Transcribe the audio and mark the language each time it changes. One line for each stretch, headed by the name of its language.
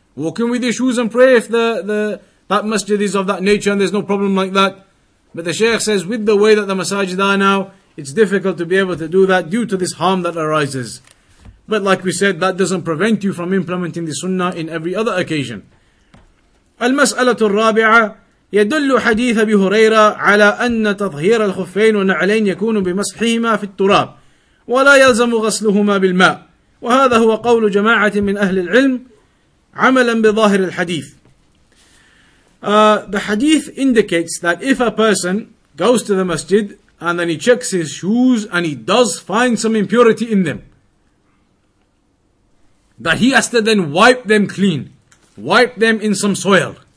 English: Walk in with your shoes and pray if that masjid is of that nature and there's no problem like that. But the Shaykh says, with the way that the masajid are now, It's difficult to be able to do that due to this harm that arises. But like we said, that doesn't prevent you from implementing the sunnah in every other occasion.
Arabic: المسألة الرابعة يدل حديث أبي هريرة على أن تطهير الخفين والنعلين يكون بمسحهما في التراب ولا يلزم غسلهما بالماء وهذا هو قول جماعة من أهل العلم عملا بظاهر الحديث.
English: The hadith indicates that if a person goes to the masjid and then he checks his shoes and he does find some impurity in them, that he has to then wipe them clean, wipe them in some soil.